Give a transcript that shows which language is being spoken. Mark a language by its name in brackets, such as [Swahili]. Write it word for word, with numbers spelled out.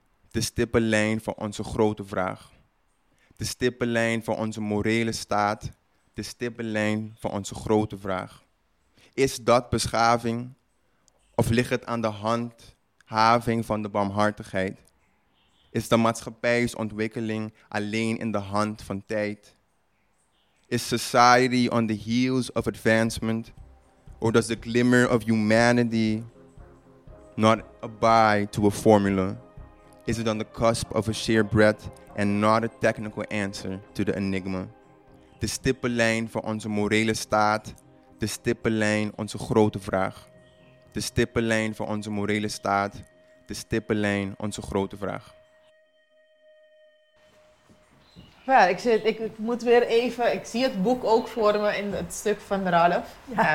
[Dutch] De stippenlijn van onze grote vraag. De stippenlijn van onze morele staat. De stippenlijn van onze grote vraag. Is dat beschaving? Of ligt het aan de hand... Having van de barmhartigheid? Is de maatschappijsontwikkeling alleen in de hand van tijd? [English] Is society on the heels of advancement? Or does the glimmer of humanity not abide to a formula? Is it on the cusp of a sheer breadth and not a technical answer to the enigma? [Dutch] De stippenlijn van onze morele staat, de stippenlijn onze grote vraag. De stippenlijn van onze morele staat, de stippenlijn onze grote vraag. Ja, ik, zit, ik, ik moet weer even, ik zie het boek ook voor me in het stuk van Ralph. Ja.